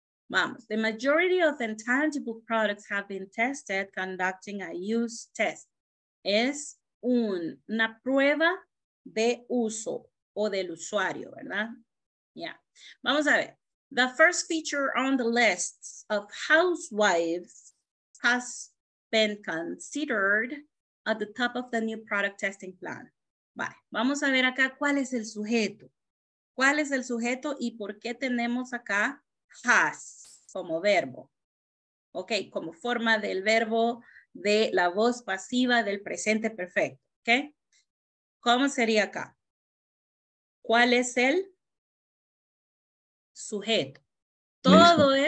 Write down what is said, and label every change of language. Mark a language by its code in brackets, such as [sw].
[es] Vamos, [en] the majority of intangible products have been tested conducting a use test. [es] Es una prueba de uso o del usuario, ¿verdad? [en] Yeah. [es] Vamos a ver. [en] The first feature on the list of housewives has been considered at the top of the new product testing plan. [es] Vale. Vamos a ver acá cuál es el sujeto. ¿Cuál es el sujeto y por qué tenemos acá has como verbo? Ok, como forma del verbo de la voz pasiva del presente perfecto, ¿ok? ¿Cómo sería acá? ¿Cuál es el sujeto? Todo Lisa.